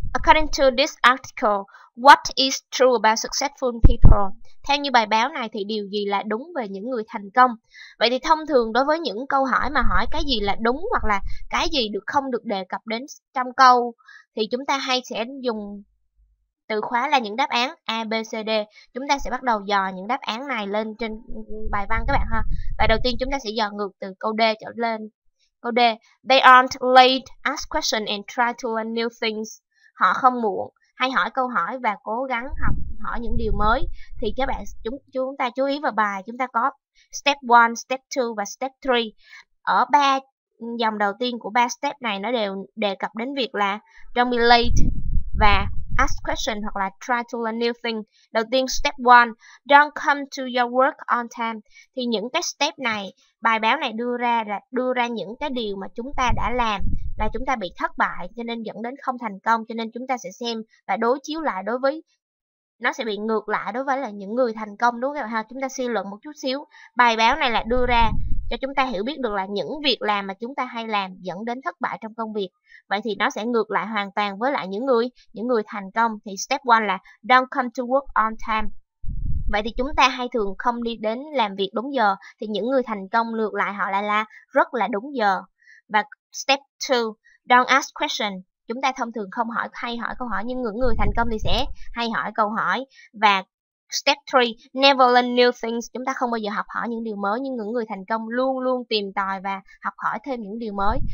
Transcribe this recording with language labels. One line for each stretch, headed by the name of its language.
English: According to this article, what is true about successful people?
Vietnamese: Theo như bài báo này thì điều gì là đúng về những người thành công? Vậy thì thông thường đối với những câu hỏi mà hỏi cái gì là đúng hoặc là cái gì được không được đề cập đến trong câu thì chúng ta hay sẽ dùng từ khóa là những đáp án A, B, C, D. Chúng ta sẽ bắt đầu dò những đáp án này lên trên bài văn các bạn ha. Và đầu tiên chúng ta sẽ dò ngược từ câu D trở lên. Câu D,
English: they aren't late, ask questions and try to learn new things.
Vietnamese: Họ không muộn, hay hỏi câu hỏi và cố gắng học hỏi những điều mới. Thì các bạn, chúng ta chú ý vào bài, chúng ta có step 1, step 2 và step 3. Ở ba dòng đầu tiên của ba step này, nó đều đề cập đến việc là
English: don't be late và ask questions hoặc là try to learn new things.
Vietnamese: Đầu tiên, step 1,
English: don't come to your work on time.
Vietnamese: Thì những cái step này, bài báo này đưa ra những cái điều mà chúng ta đã làm là chúng ta bị thất bại, cho nên dẫn đến không thành công. Cho nên chúng ta sẽ xem và đối chiếu lại đối với, nó sẽ bị ngược lại đối với là những người thành công, đúng không ha? Chúng ta suy luận một chút xíu. Bài báo này là đưa ra cho chúng ta hiểu biết được là những việc làm mà chúng ta hay làm dẫn đến thất bại trong công việc. Vậy thì nó sẽ ngược lại hoàn toàn với lại những người thành công. Thì step 1 là
English: don't come to work on time.
Vietnamese: Vậy thì chúng ta hay thường không đi đến làm việc đúng giờ. Thì những người thành công ngược lại họ lại là rất là đúng giờ. Và step 2,
English: don't ask questions.
Vietnamese: Chúng ta thông thường không hỏi hay hỏi câu hỏi, nhưng những người thành công thì sẽ hay hỏi câu hỏi. Và step 3,
English: never learn new things.
Vietnamese: Chúng ta không bao giờ học hỏi những điều mới, nhưng những người thành công luôn luôn tìm tòi và học hỏi thêm những điều mới.